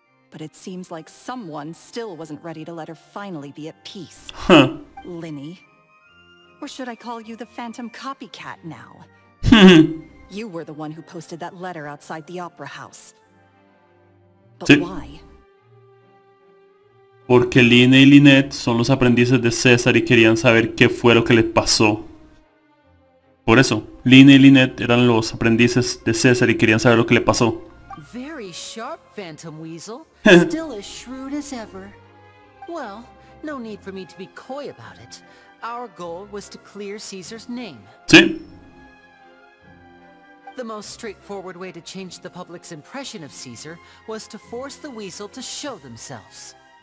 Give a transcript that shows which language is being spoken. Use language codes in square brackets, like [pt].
[en] But it seems like someone still wasn't ready to let her finally be at peace. Huh. Linny. Or should I call you the Phantom Copycat now? You were the one who posted that letter outside the Opera House. But why? [es] Porque Lina y Lynette son los aprendices de César y querían saber qué fue lo que les pasó. Por eso, Lina y Lynette eran los aprendices de César y querían saber lo que le pasó. [en] Very sharp, Phantom Weasel. Still as shrewd as ever. Well, no need for me to be coy about it. Our goal was to clear Caesar's name. [es] Sí. [en] The most straightforward way to change the public's impression of Caesar was to force the Weasel to show themselves.